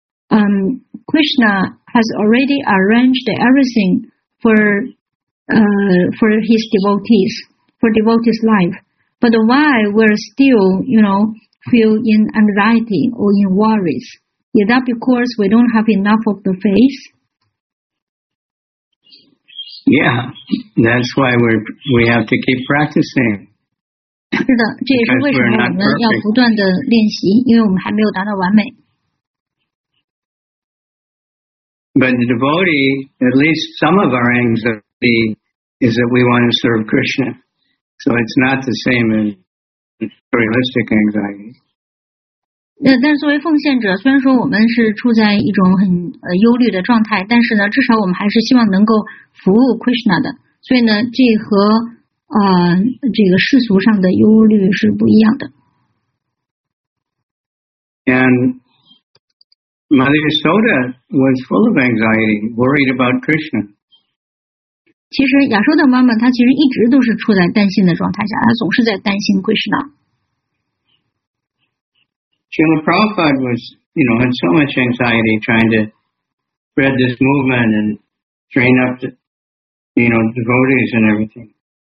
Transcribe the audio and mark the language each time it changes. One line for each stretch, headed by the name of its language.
English: Krishna has already arranged everything for his devotees, for devotees' life. But why we're still, feel in anxiety or in worries. Is that because we don't have enough of the faith? Yeah, that's why we have to keep practicing.
Chinese: 是的，这也是为什么我们要不断的练习，因为我们还没有达到完美。
English: But the devotee, at least some of our anxiety, is that we want to serve Krishna. So it's not the same as materialistic anxiety.
Chinese: 但作为奉献者，虽然说我们是处在一种很忧虑的状态，但是呢，至少我们还是希望能够服务 Krishna 的。所以呢，这和这个世俗上的忧虑是不一样的。
English: And Mother Yashoda was full of anxiety, worried about Krishna.
Chinese: 其实亚洲的妈妈她其实一直都是处在担心的状态下，她总是在担心 Krishna。
English: Srila Prabhupada was, you know, had so much anxiety trying to spread this movement and train up the, you know, devotees and everything.